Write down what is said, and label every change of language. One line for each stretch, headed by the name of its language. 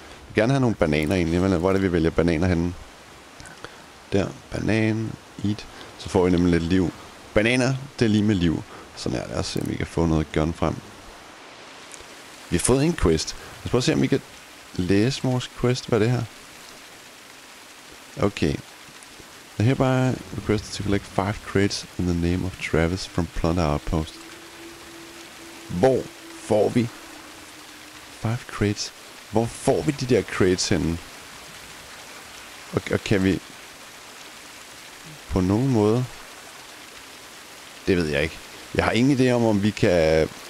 Danish: Jeg vil gerne have nogle bananer egentlig, men hvor er det, vi vælger bananer henne? Der, banan, eat, så får vi nemlig lidt liv. Bananer, det er lige med liv. Sådan her, lad os se, om vi kan få noget gun frem. Vi har fået en quest. Lad os prøve at se, om vi kan læse vores quest. Hvad er det her? Okay.
English: I hereby request to collect 5 crates in the name of Travis from Plunder Outpost.
Danish: Hvor får vi 5 crates? Hvor får vi de der crates henne? Og kan vi... På nogen måde... Det ved jeg ikke. Jeg har ingen idé om vi kan...